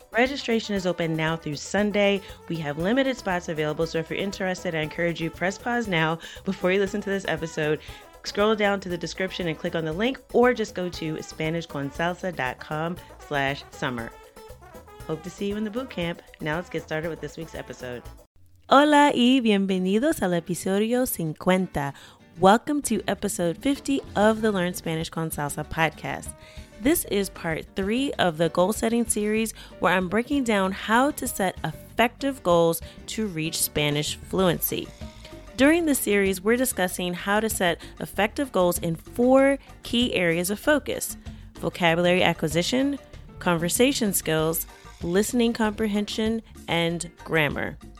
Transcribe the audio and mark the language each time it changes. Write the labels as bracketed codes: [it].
[en] Registration is open now through Sunday. We have limited spots available. So if you're interested, I encourage you press pause now before you listen to this episode. Scroll down to the description and click on the link, or just go to SpanishConSalsa.com/summer. Hope to see you in the boot camp. Now let's get started with this week's episode. [es] Hola y bienvenidos al episodio 50. [en] Welcome to episode 50 of the Learn Spanish con Salsa podcast. This is part 3 of the goal setting series where I'm breaking down how to set effective goals to reach Spanish fluency. During this series, we're discussing how to set effective goals in 4 key areas of focus: vocabulary acquisition, conversation skills, listening comprehension, and grammar.